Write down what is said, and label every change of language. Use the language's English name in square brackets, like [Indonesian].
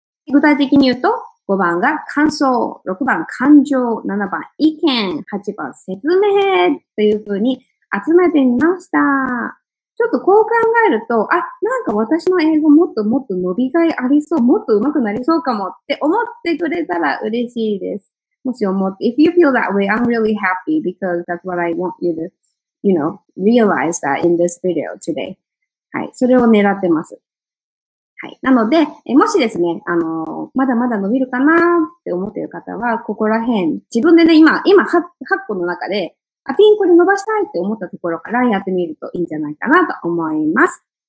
[Japanese] 具体的に言うと、5番が、感想。6番、感情。 7番、意見。8番、説明。というふうに集めてみました。ちょっとこう考えると、あ、なんか私の英語もっと伸びがいありそう、もっと上手くなりそうかもって思ってくれたら嬉しいです。もし思って、 [English] If you feel that way, I'm really happy because that's what I want you to, you know, realize that in this video today. [Japanese] はい、それを狙ってます。はい、なので、もしですね、まだまだ伸びるかなって思っている方は、ここら辺、自分でね、今8個の中で、あ、ピンクで伸ばしたいって思ったところからやってみるといいんじゃないかなと思います。